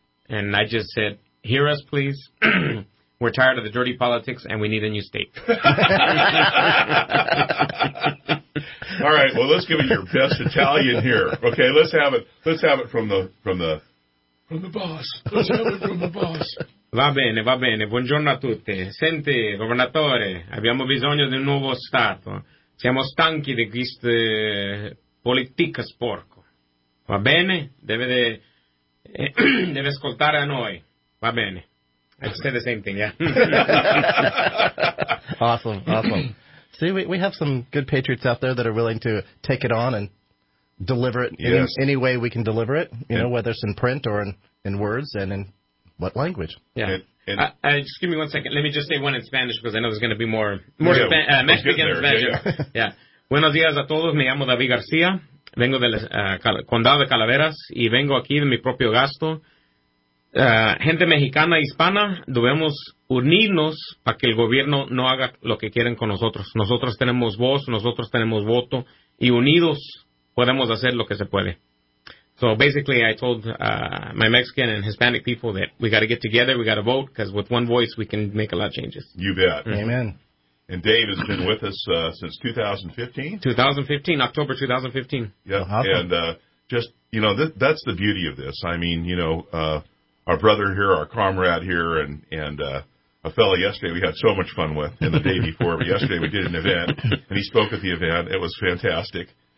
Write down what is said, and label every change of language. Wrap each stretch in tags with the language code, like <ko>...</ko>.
<en>And I just said, hear us, please. We're tired of the dirty politics, and we need a new state. All right. Well, let's give it your best Italian here. Okay, let's have it. Let's have it from the boss. Let's have it from the boss.</en> <it>Va bene, buongiorno a tutti. Senti, governatore, abbiamo bisogno di un nuovo stato. Siamo stanchi di questa politica sporco. Va bene? Deve ascoltare a noi. Va bene.</it> <en>I said the same thing, yeah. Awesome, awesome. See, we have some good patriots out there that are willing to take it on and deliver it any way we can deliver it, you know, whether it's in print or in words and in what language. Yeah. Just give me one second. Let me just say one in Spanish because I know there's going to be more Mexican there, Spanish.</en> <es>Yeah. Buenos días a todos. Me llamo David García. Vengo del condado de Calaveras y vengo aquí de mi propio gasto. Gente mexicana e hispana, debemos unirnos para que el gobierno no haga lo que quieren con nosotros. Nosotros tenemos voz, nosotros tenemos voto, y unidos podemos hacer lo que se puede.</es> <en>So basically, I told my Mexican and Hispanic people that we got to get together, we got to vote, because with one voice, we can make a lot of changes. You bet. Mm-hmm. Amen. And Dave has been with us since 2015? 2015, October 2015. Yeah, awesome. That's the beauty of this. I mean, you know, our brother here, our comrade here, and a fellow yesterday we had so much fun with, and the day before, but yesterday we did an event, and he spoke at the event. It was fantastic.</en>